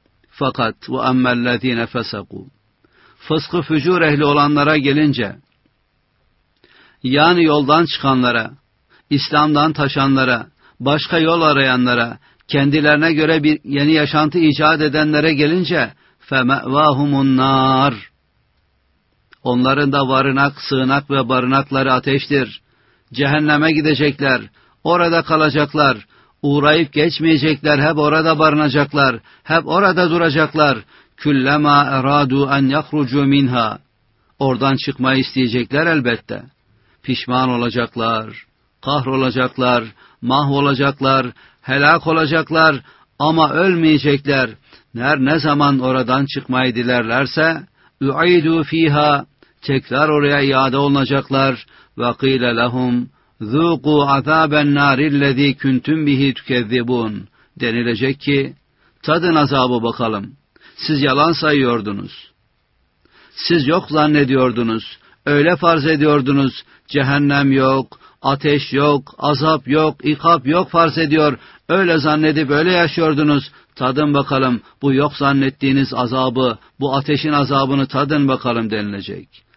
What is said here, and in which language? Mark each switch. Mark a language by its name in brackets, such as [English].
[Turkish] Fakat bu [Arabic] emmellezine fesakû, [Turkish] fıskı fücur ehli olanlara gelince, yani yoldan çıkanlara, İslam'dan taşanlara, başka yol arayanlara, kendilerine göre bir yeni yaşantı icat edenlere gelince, [Arabic] فَمَأْوَاهُمُ النَّارِ, [Turkish] onların da varınak, sığınak ve barınakları ateştir. Cehenneme gidecekler, orada kalacaklar, uğrayıp geçmeyecekler, hep orada barınacaklar, hep orada duracaklar. [Arabic] كُلَّمَا اَرَادُوا اَنْ يَخْرُجُوا مِنْهَا, [Turkish] oradan çıkmayı isteyecekler elbette. Pişman olacaklar, kahrolacaklar, mahvolacaklar, helak olacaklar ama ölmeyecekler. Ne zaman oradan çıkmayı dilerlerse, [Arabic] اُعِيدُوا ف۪يهَا, [Turkish] tekrar oraya iade olunacaklar. [Arabic] وَقِيلَ لَهُمْ ذُوقُوا عَذَابَ النَّارِ الَّذ۪ي كُنْتُمْ بِه۪ تُكَذِّبُونَ, [Turkish] denilecek ki, tadın azabı bakalım. Siz yalan sayıyordunuz. Siz yok zannediyordunuz. Öyle farz ediyordunuz. Cehennem yok, ateş yok, azap yok, ikab yok farz ediyor. Öyle zannedip öyle yaşıyordunuz. Tadın bakalım bu yok zannettiğiniz azabı, bu ateşin azabını tadın bakalım denilecek.